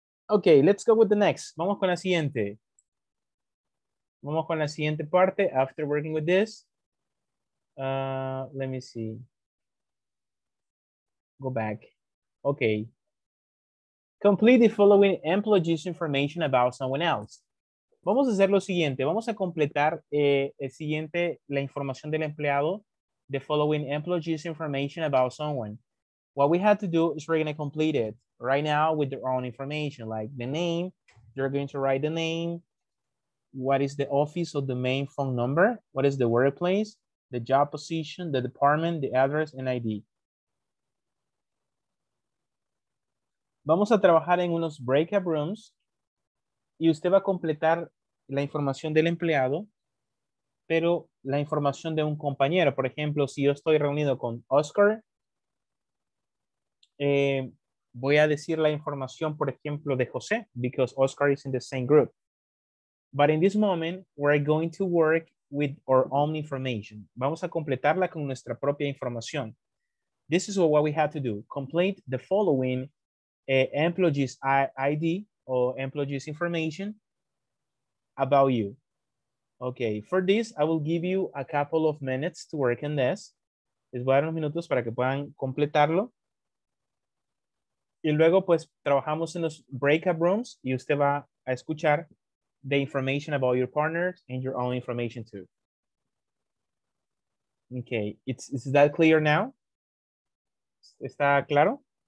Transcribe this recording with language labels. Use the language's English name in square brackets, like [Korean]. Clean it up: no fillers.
[English] Okay, let's go with the next. [Spanish] Vamos con la siguiente. Vamos con la siguiente parte [English] after working with this. Let me see. Go back. Okay. Complete the following employee's information about someone else. [Spanish] Vamos a hacer lo siguiente. Vamos a completar el siguiente, la información del empleado. [English] The following employees information about someone. What we have to do is we're going to complete it right now with their own information, like the name. You're going to write the name. What is the office or the main phone number? What is the workplace, the job position, the department, the address, and ID? [Spanish] Vamos a trabajar en unos breakout rooms y usted va a completar la información del empleado, pero la información de un compañero. Por ejemplo, si yo estoy reunido con Oscar, voy a decir la información, por ejemplo, de José, [English] because Oscar is in the same group. But in this moment, we're going to work with our own information. [Spanish] Vamos a completarla con nuestra propia información. [English] this is what we have to do. Complete the following employee's ID or employee's information about you. Okay, for this, I will give you a couple of minutes to work on this. [Spanish] Les voy a dar unos minutos para que puedan completarlo. Y luego, pues, trabajamos en los breakout rooms y usted va a escuchar [English] the information about your partners and your own information too. Okay, is that clear now? [Spanish] ¿Está claro?